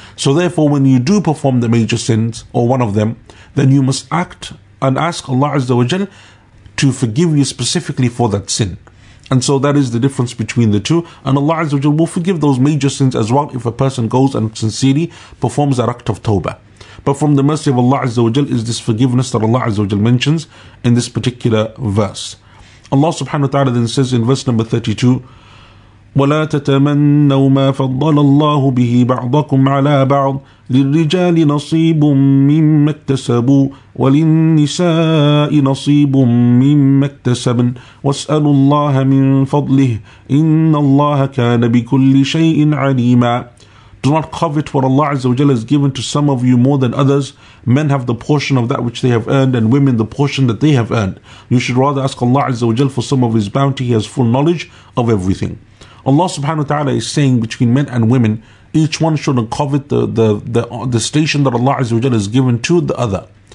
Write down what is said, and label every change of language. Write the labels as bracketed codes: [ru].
[en] So therefore, when you do perform the major sins, or one of them, then you must act and ask Allah Azza wa Jalla to forgive you specifically for that sin. And so that is the difference between the two. And Allah Azza wa Jalla will forgive those major sins as well if a person goes and sincerely performs that act of tawbah. But from the mercy of Allah Azza wa Jal is this forgiveness that Allah Azza wa Jal mentions in this particular verse. Allah subhanahu wa ta'ala then says in verse number 32, [ar] وَلَا تَتَمَنَّوا مَا فَضَّلَ اللَّهُ بِهِ بَعْضَكُمْ عَلَىٰ بَعْضٍ لِلرِّجَالِ نَصِيبٌ مِّمَّا اكْتَسَبُوا وَلِلنِّسَاءِ نَصِيبٌ مِّمَّا اكْتَسَبْنَ وَاسْأَلُوا اللَّهَ مِنْ فَضْلِهِ إِنَّ اللَّهَ كَانَ بِكُلِّ شَيْءٍ عَلِيمًا. [en] Do not covet what Allah Azza wa Jalla has given to some of you more than others. Men have the portion of that which they have earned, and women the portion that they have earned. You should rather ask Allah Azza wa Jalla for some of His bounty. He has full knowledge of everything. Allah subhanahu wa ta'ala is saying between men and women, each one shouldn't covet the station that Allah Azza wa Jalla has given to the other.